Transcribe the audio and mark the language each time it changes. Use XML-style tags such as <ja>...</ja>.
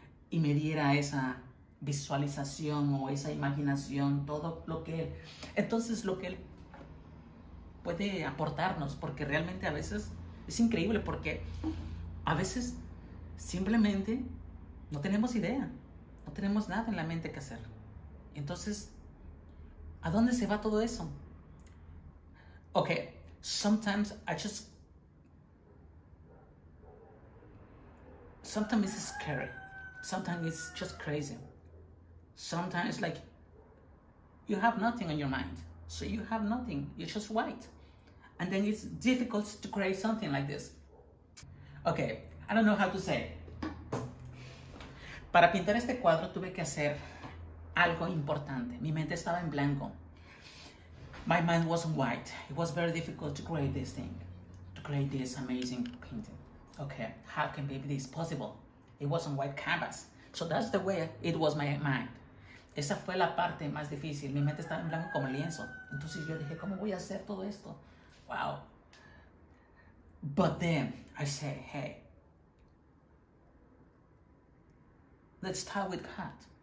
<es>Y me diera esa visualización o esa imaginación, todo lo que él. Entonces lo que él puede aportarnos, porque realmente a veces es increíble, porque a veces simplemente no tenemos idea, no tenemos nada en la mente que hacer. Entonces, ¿a dónde se va todo eso?</es> <en>Okay, sometimes it's scary, sometimes it's just crazy, sometimes like you have nothing on your mind, so you have nothing, you're just white. And then it's difficult to create something like this. Okay, I don't know how to say.</en> <es>Para pintar este cuadro tuve que hacer algo importante. Mi mente estaba en blanco.</es> <en>My mind wasn't white. It was very difficult to create this thing, to create this amazing painting. Okay, how can be this possible? It wasn't white canvas. So that's the way it was my mind.</en> <es>Esa fue la parte más difícil. Mi mente estaba en blanco como lienzo. Entonces yo dije, ¿cómo voy a hacer todo esto? Wow.</es> <en>But then I said, hey, let's talk with God.</en>